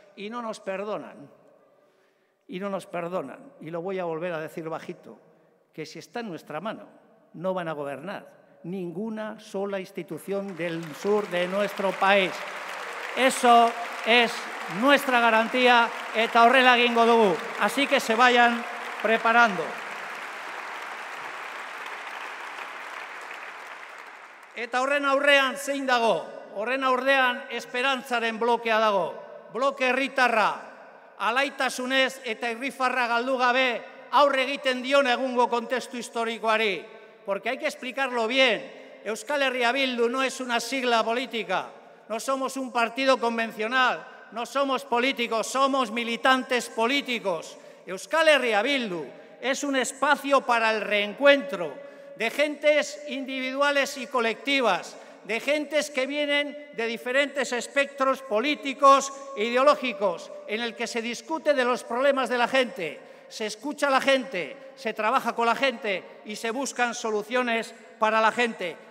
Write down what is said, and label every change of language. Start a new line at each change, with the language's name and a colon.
Spanish: Y no nos perdonan, y no nos perdonan, y lo voy a volver a decir bajito, que si está en nuestra mano, no van a gobernar ninguna sola institución del sur de nuestro país. Eso es nuestra garantía,
Basque: eta horrela egingo dugu.
Spanish: Así que se vayan preparando.
Basque: Eta horren aurrean zein dago? Horren aurrean esperantzaren blokea dago. Bloke herritarra, alaitasunez eta irrifarra galdu gabe aurre egiten dion egungo kontestu historikoari.
Spanish: Porque hay que explicarlo bien. Euskal Herria Bildu no es una sigla política. No somos un partido convencional. No somos políticos, somos militantes políticos. Euskal Herria Bildu es un espacio para el reencuentro de gentes individuales y colectivas, de gentes que vienen de diferentes espectros políticos e ideológicos, en el que se discute de los problemas de la gente, se escucha a la gente, se trabaja con la gente y se buscan soluciones para la gente.